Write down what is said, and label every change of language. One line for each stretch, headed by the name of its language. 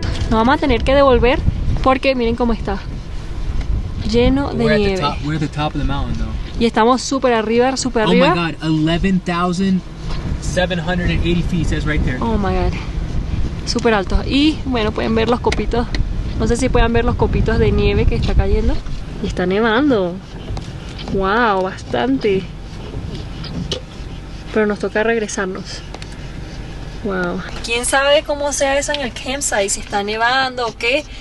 Spanish: Vamos a tener que devolver porque miren cómo está lleno de
English: we're
Spanish: nieve.
English: Top, we're at the top of the mountain, though.
Spanish: Y estamos súper arriba, súper arriba.
English: Oh my God, 11,780 feet says right there. Oh my God,
Spanish: súper alto. Y bueno, pueden ver los copitos. No sé si puedan ver los copitos de nieve que está cayendo. Y está nevando. Wow, bastante. Pero nos toca regresarnos. Wow. ¿Quién sabe cómo sea eso en el campsite? Si está nevando o qué.